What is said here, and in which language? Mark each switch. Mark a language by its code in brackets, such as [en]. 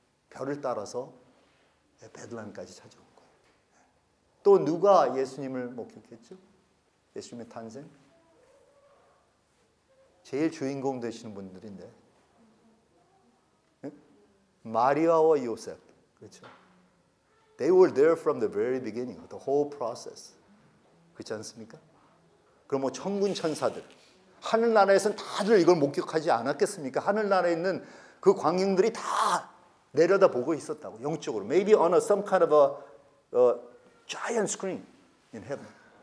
[ko] 별을 따라서 베들레헴까지 찾아온 거예요. 또 누가 예수님을 목격했죠? 예수님의 탄생? 제일 주인공 되시는 분들인데 마리아와 요셉, 그렇죠? [en] They were there from the very beginning, the whole process. [ko] 그렇지 않습니까? 그럼 뭐 천군 천사들, 하늘나라에서는 다들 이걸 목격하지 않았겠습니까? 하늘나라에 있는 그 광경들이 다 내려다보고 있었다고, 영적으로. [en] Maybe on a, some kind of a giant screen in heaven.